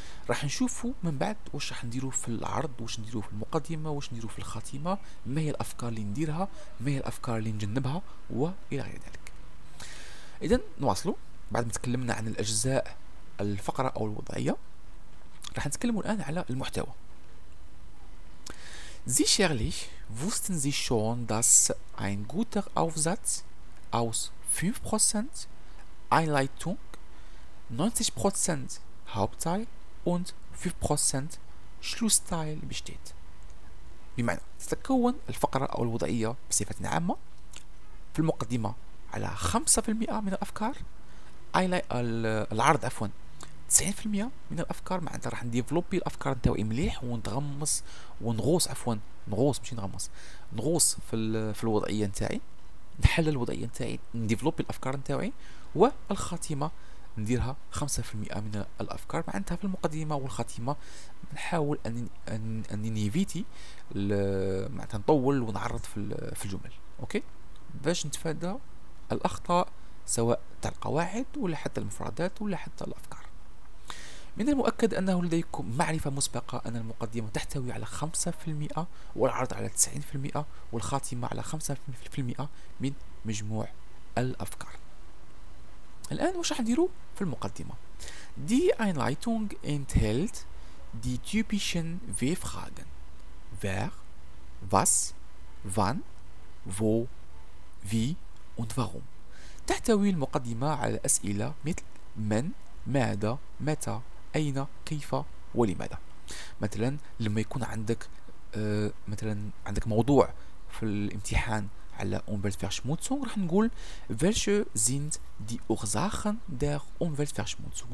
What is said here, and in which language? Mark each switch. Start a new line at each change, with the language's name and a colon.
Arabic: راح نشوفوا من بعد واش راح نديروا في العرض، واش نديروا في المقدمه، واش نديروا في الخاتمه، ما هي الافكار اللي نديرها، ما هي الافكار اللي نجنبها، والى غير ذلك. اذا نواصلوا بعد ما تكلمنا عن الاجزاء الفقره او الوضعيه، راح نتكلموا الان على المحتوى.
German: زي شيرلي، wussten Sie schon, dass ein guter Aufsatz aus 5% Einleitung, 90% Hauptteil und 5% Schlussteil besteht.
Arabic: بمعنى تتكون الفقرة أو الوضعية بصفة عامة في المقدمة على 5% من الأفكار العرض عفوا 90% من الأفكار معناتها راح نديفلوبي الأفكار نتاعي مليح ونتغمس ونغوص عفوا نغوص ماشي نغمس نغوص في الوضعية نتاعي نحل الوضعية نتاعي نديفلوبي الأفكار نتاعي والخاتمة نديرها 5% من الأفكار معناتها في المقدمة والخاتمة نحاول أن نيفيتي معناتها نطول ونعرض في الجمل أوكي باش نتفادى الأخطاء سواء تاع القواعد ولا حتى المفردات ولا حتى الأفكار. من المؤكد أنه لديكم معرفة مسبقة أن المقدمة تحتوي على 5% والعرض على 90% والخاتمة على 5% من مجموع الأفكار. الآن واش راح نديرو في المقدمة؟
German: دي Einleitung enthält die typischen W-Fragen. Wer, was, wann, wo, wie und warum.
Arabic: تحتوي المقدمة على أسئلة مثل من، ماذا، متى، أين، كيف، ولماذا. مثلا لما يكون عندك مثلا عندك موضوع في الامتحان على Umweltverschmutzung راح نقول
German: welche sind die Ursachen der Umweltverschmutzung.